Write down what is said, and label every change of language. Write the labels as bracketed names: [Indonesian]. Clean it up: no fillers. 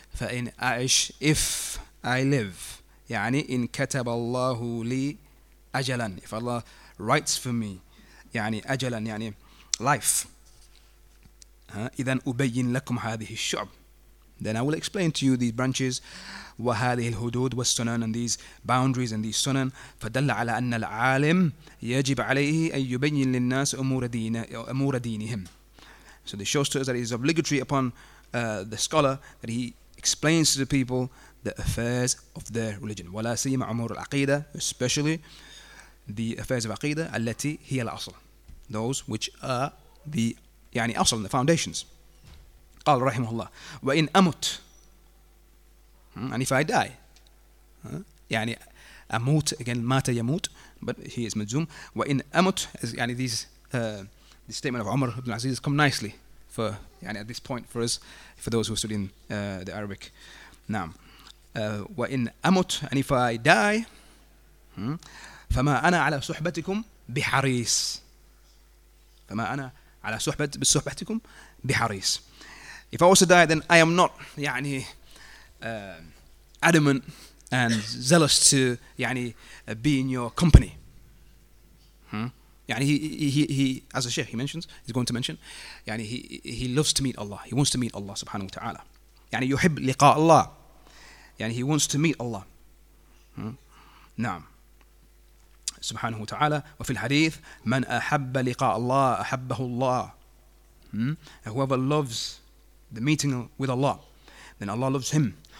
[Arabic] فإن أعش, [English] if I live. [Arabic] يعني, إن كتب الله لي أجلا. [English] If Allah writes for me. يعني, أجلا, يعني, life. [Arabic] إذن أبين لكم هذه الشعب. [English] Then I will explain to you these branches. [Arabic] وهذه الحدود والسنن [English] and these boundaries and these sunan. [Arabic] فدل على أن العالم يجب عليه أن يبين للناس أمور دينهم. [English] So this shows to us that it is obligatory upon the scholar that he explains to the people the affairs of their religion. [Arabic] ولا سيما أمور العقيدة, [English] especially the affairs of [Arabic] عقيدة التي هي الأصل. [English] Those which are the يعني أصل, the foundations. [Arabic] قال رحمه الله وإن أموت. [English] And if I die, [Arabic] يعني أموت, again, مات يموت, [English] but he is [Arabic] مجزوم. وإن أموت, [English] يعني this statement of Umar bin Aziz come nicely for, يعني at this point for us, for those who are studying the Arabic. نعم. [Arabic] وإن أموت, [English] and if I die, [Arabic] فما أنا على صحبتكم بحريص. فما أنا على صحبتكم بحريص. [English] If I also die, then I am not, يعني, adamant and zealous to يعني, be in your company. يعني, he as a sheikh, he's going to mention, يعني, he loves to meet Allah. He wants to meet Allah subhanahu wa ta'ala. يعني, [Arabic] يحب لقاء الله. [English] يعني, he wants to meet Allah. نعم. Subhanahu wa ta'ala. [Arabic] وفي الحديث, من أحب لقاء الله أحبه الله. [English] Whoever loves the meeting with Allah, then Allah loves him.